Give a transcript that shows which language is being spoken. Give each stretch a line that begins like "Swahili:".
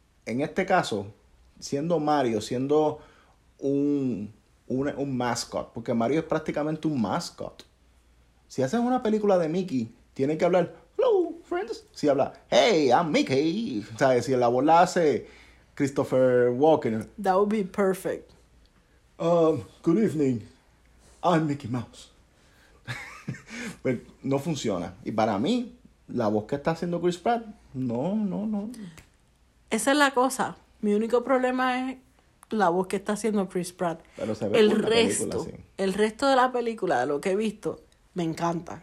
Spanish: En este caso, siendo Mario, siendo un mascot, porque Mario es prácticamente un mascot. Si haces una película de Mickey, tiene que hablar,
English: hello, friends.
Spanish: Si habla,
English: hey, I'm Mickey.
Spanish: O sea, si la voz la hace Christopher Walken.
English: That would be perfect. Good evening, I'm Mickey Mouse.
Spanish: Pero no funciona. Y para mí, la voz que está haciendo Chris Pratt, no. Esa es la cosa. Mi único problema es la voz que está haciendo Chris Pratt. Pero se ve el resto. El resto de la película, de lo que he visto, me encanta.